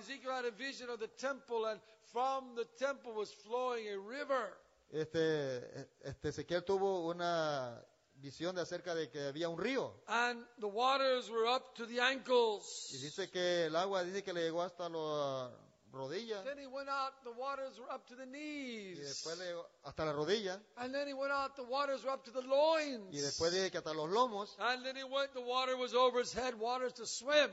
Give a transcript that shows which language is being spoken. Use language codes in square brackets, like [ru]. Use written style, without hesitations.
[en] Ezekiel had a vision of the temple, and from the temple was flowing a river. [es] Ezequiel tuvo una visión de acerca de que había un río. [en] And the waters were up to the ankles. [es] Y dice que el agua dice que le llegó hasta las rodillas. [en] Then he went out, the waters were up to the knees. [es] Y después le llegó hasta la rodilla. [en] And then he went out, the waters were up to the loins. [es] Y después dice que hasta los lomos. [en] And then he went, the water was over his head, waters to swim.